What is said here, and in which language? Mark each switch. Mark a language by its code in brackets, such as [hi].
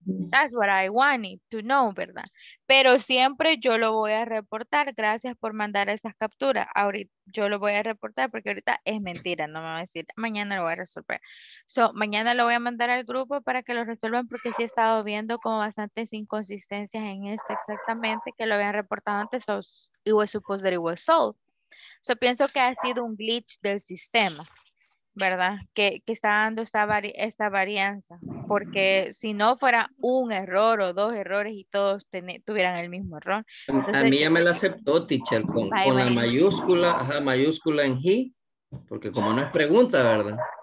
[en] That's what I wanted to know, [es] ¿verdad? Pero siempre yo lo voy a reportar. Gracias por mandar esas capturas. Ahorita yo lo voy a reportar porque ahorita es mentira. No me va a decir, mañana lo voy a resolver. So, mañana lo voy a mandar al grupo para que lo resuelvan, porque sí he estado viendo como bastantes inconsistencias en este exactamente que lo habían reportado antes. [en] So, it was supposed that it was sold. [es] So, pienso que ha sido un glitch del sistema, ¿verdad? Que está dando esta varianza, porque si no fuera un error o dos errores y todos tuvieran el mismo error. Entonces, a mí ya me la aceptó, teacher, con la mayúscula, ajá, mayúscula en he, porque como no es pregunta, ¿verdad?